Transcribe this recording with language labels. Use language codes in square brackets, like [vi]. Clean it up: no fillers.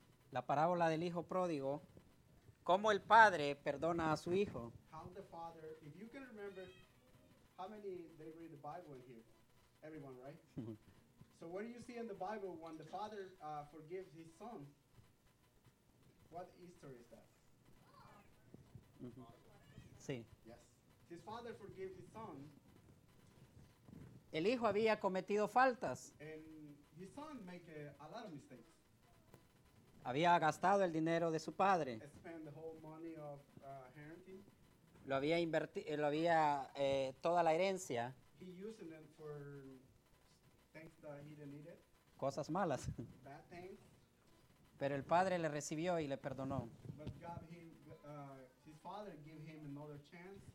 [es] La parábola del hijo pródigo, cómo el padre perdona a su hijo. [en] How the father, if you can remember, how many they read the Bible here? Everyone, right? So what do you see in the Bible when the father forgives his son? What Easter is that? [es] Mm-hmm. Sí. [en] Yes. His father forgives his son. [es] El hijo había cometido faltas. [en] And his son make a lot of mistakes. [es] Había gastado el dinero de su padre. [en] Spend the whole money of, parenting. [es] Lo había invertido, lo había toda la herencia. [en] He using it for things that he didn't need it. [es] Cosas malas. [en] Bad things. [es] Pero el padre le recibió y le perdonó. [en] But God, him, his father gave him another chance.